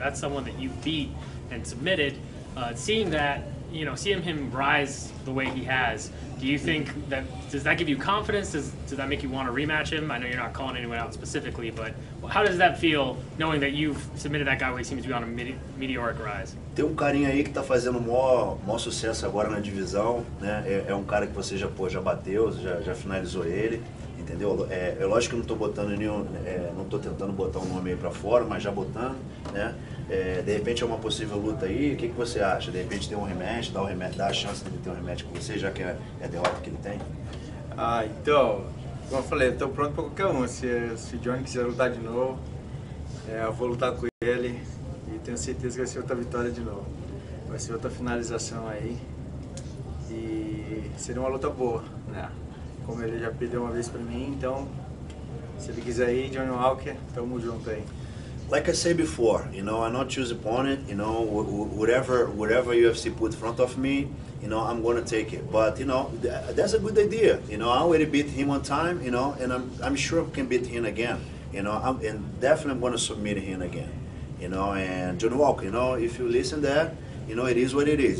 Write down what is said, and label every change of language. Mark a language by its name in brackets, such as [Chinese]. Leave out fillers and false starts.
[English] That's someone that you beat and submitted. Seeing that, you know, seeing him rise the way he has, do you think that, does that give you confidence? Does that make you want to rematch him? I know you're not calling anyone out specifically, but how does that feel, knowing that you've submitted that guy where he seems to be on a meteoric rise? [Portuguese] Tem carinha aí que tá fazendo maior sucesso agora na divisão, né? É cara que você já bateu, já finalizou ele, entendeu? É lógico que eu não tô botando nenhum, não tô tentando botar o nome aí pra fora, mas já botando, né? De repente é uma possível luta aí, o que você acha? De repente tem um rematch, dá a chance de ter um rematch com você, já que é a derrota que ele tem? Ah, então, como eu falei, eu tô pronto pra qualquer um. Se o Johnny quiser lutar de novo, eu vou lutar com ele e tenho certeza que vai ser outra vitória de novo. Vai ser outra finalização aí e seria uma luta boa, né? Como ele já perdeu uma vez pra mim, então, se ele quiser ir, Johnny Walker, tamo junto aí. [English] Like I said before, you know, I'm not choose opponent, you know, whatever UFC put in front of me, you know, I'm going to take it. But, you know, that's a good idea. You know, I already beat him one time, you know, and I'm sure I can beat him again. You know, and definitely I'm going to submit him again. You know, and John Walker, you know, if you listen there, you know, it is what it is.